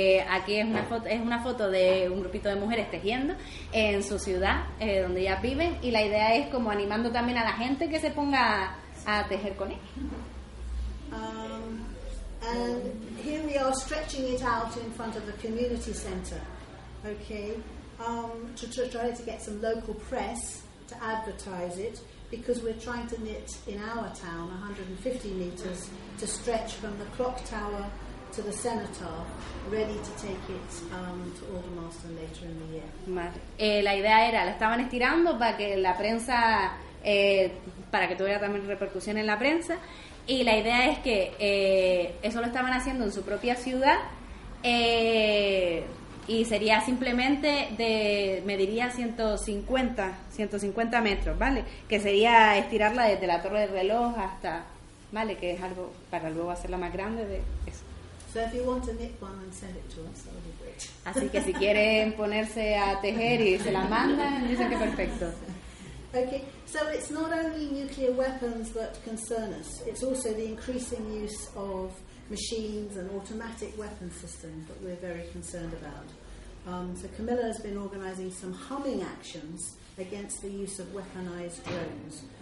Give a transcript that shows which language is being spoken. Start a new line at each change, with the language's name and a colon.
Spanish: Aquí es una foto de un grupito de mujeres tejiendo en su ciudad donde ellas viven y la idea es como animando también a la gente que se ponga a tejer con ellas.
English: And here we are stretching it out in front of the community center, okay, to try to get some local press to advertise it, because we're trying to knit in our town 150 meters to stretch from the clock tower to the cenotaph, ready to take it to Aldermaston later in the year.
Spanish: La idea era, la estaban estirando para que la prensa, para que tuviera también repercusión en la prensa, y la idea es que eso lo estaban haciendo en su propia ciudad, y sería simplemente de, mediría 150 metros, ¿vale? Que sería estirarla desde la torre del reloj hasta, ¿vale? Que es algo para luego hacerla más grande de eso.
English: So if you want to knit one and send it to us, that would be great.
Spanish: Así que si quieren ponerse a tejer y se la mandan, dicen que perfecto.
English: Okay, so it's not only nuclear weapons that concern us. It's also the increasing use of machines and automatic weapon systems that we're very concerned about. So Camilla has been organizing some humming actions against the use of weaponized drones.